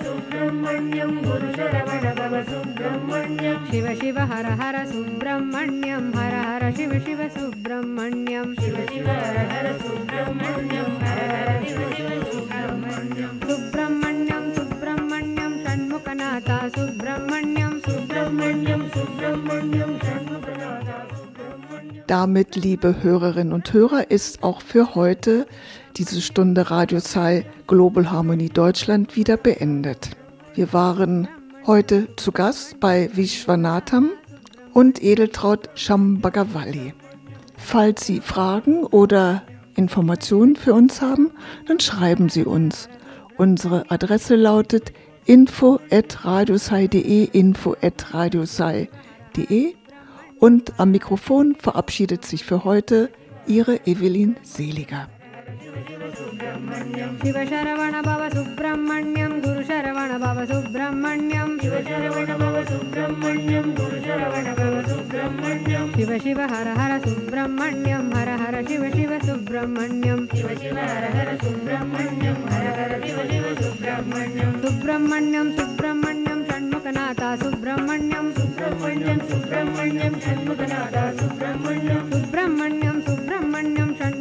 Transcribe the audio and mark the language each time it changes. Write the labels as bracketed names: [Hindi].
[Sanskrit] Subramanyam, Guru Sharavana Bhava Subramanyam, Shiva Shiva Hara Hara Subramanyam, Hara Hara Shiva Shiva Subramanyam, Shiva Shiva Hara Hara Subramanyam, Hara Hara Shiva Shiva Subramanyam, Subramanyam, Subramanyam, Shanmukanatha, Subramanyam, Subramanyam, Subramanyam, Shanmukanatha. [German] Damit, liebe Hörerinnen und Hörer, ist auch für heute diese Stunde Radio Sai Global Harmony Deutschland wieder beendet. Wir waren heute zu Gast bei Vishwanatham und Edeltraud Shambhagavalli. Falls Sie Fragen oder Informationen für uns haben, dann schreiben Sie uns. Unsere Adresse lautet info@radiosai.de, info@radiosai.de. Und am Mikrofon verabschiedet sich für heute Ihre Evelyn Seliger. [Sanskrit] Shiva Sharavana Bhava Subramanyam, Guru Sharavana Bhava Subramanyam, Shiva Sharavana Bhava Subramanyam, Guru Sharavana Bhava Subramanyam, Shiva Shiva Hara Hara Subramanyam, Hara Hara Shiva Shiva Subramanyam, Shiva Shiva Hara Hara Subramanyam, Hara Hara Shiva Shiva Subramanyam, Subramanyam, Subramanyam, Shanmukanatha, Subramanyam, Subramanyam, Subramanyam, Shanmukanatha, Subramanyam, Subramanyam, Subramanyam, Shanmukanatha, Subramanyam, Subramanyam, Subramanyam,